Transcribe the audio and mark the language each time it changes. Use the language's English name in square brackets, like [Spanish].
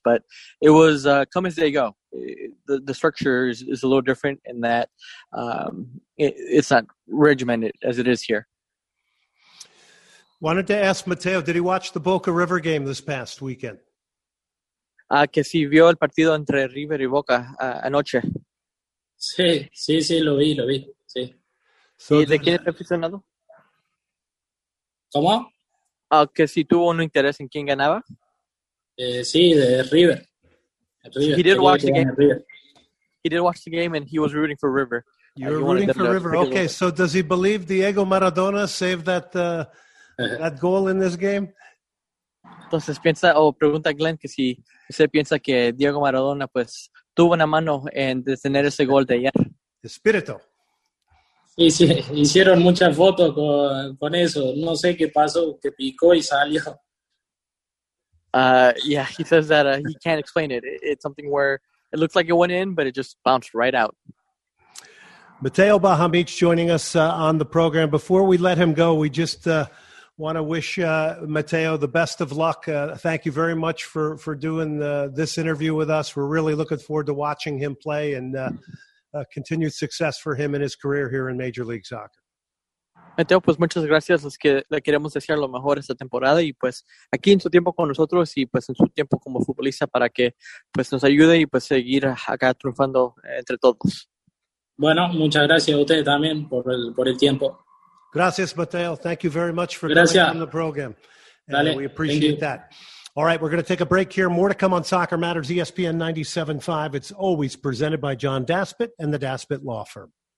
[English] But it was come as they go. The structure is a little different in that it's not regimented as it is here. Wanted to ask Mateo, did he watch the Boca River game this past weekend? [Spanish] Que sí, vio el partido entre River y Boca anoche. Sí, lo vi, sí. [English] So, [Spanish] ¿y de quién es aficionado? ¿Cómo? Que sí, tuvo un interés en quién ganaba. Sí, de River. [English] He did watch the game and he was rooting for River. You were rooting for River, okay. So does he believe Diego Maradona saved that goal in this game? [Spanish] Entonces pregunta Glenn que si usted piensa que Diego Maradona pues tuvo una mano en detener ese gol de ayer. Espíritu. Sí, sí, hicieron muchas fotos con eso. No sé qué pasó, que picó y salió. [English] Yeah, he says that he can't explain it. It's something where it looks like it went in, but it just bounced right out. Mateo Bahamic joining us on the program. Before we let him go, we just Want to wish Mateo the best of luck. Thank you very much for doing this interview with us. We're really looking forward to watching him play and continued success for him in his career here in Major League Soccer. [Spanish] Mateo, pues muchas gracias. Es que le queremos desear lo mejor esta temporada y pues aquí en su tiempo con nosotros y pues en su tiempo como futbolista para que pues nos ayude y pues seguir acá triunfando entre todos. Bueno, muchas gracias a ustedes también por el tiempo. Gracias, Mateo. [English] Thank you very much for coming on the program. [Spanish] Dale. [English] We appreciate that. All right, we're going to take a break here. More to come on Soccer Matters, ESPN 97.5. It's always presented by John Daspit and the Daspit Law Firm.